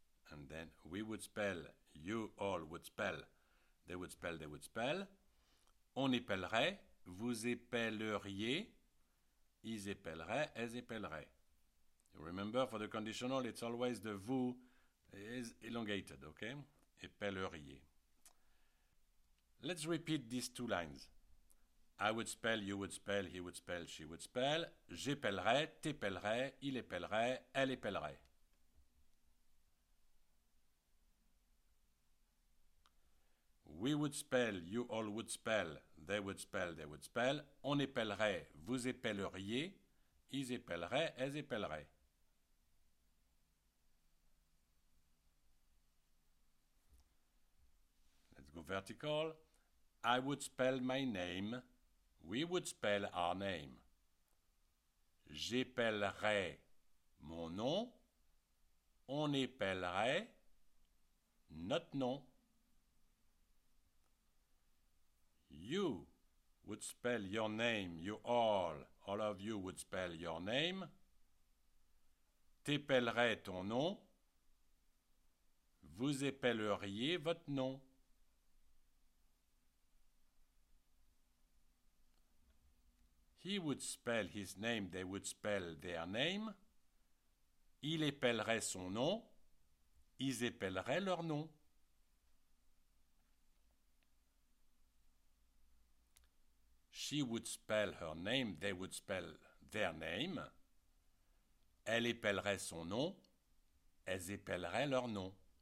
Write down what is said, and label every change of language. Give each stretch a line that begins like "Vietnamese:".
English: And then we would spell, you all would spell, they would spell, they would spell.
French: On épellerait, vous épelleriez, ils épelleraient, elles épelleraient.
English: You remember, for the conditional, it's always the vous is elongated, okay? Épelleriez. Let's repeat these two lines. I would spell, you would spell, he would spell, she would spell.
French: J'épellerai, t'épellerai, il épellerait, elle épellerait.
English: We would spell, you all would spell, they would spell, they would spell.
French: On épellerait, vous épelleriez, ils épelleraient, elles épelleraient.
English: Let's go vertical. I would spell my name. We would spell our name.
French: J'épellerais mon nom. On épellerait notre nom.
English: You would spell your name. You all of you would spell your name.
French: T'épellerais ton nom. Vous épelleriez votre nom.
English: He would spell his name, they would spell their name.
French: Il épellerait son nom, ils épelleraient leur nom.
English: She would spell her name, they would spell their name.
French: Elle épellerait son nom, elles épelleraient leur nom.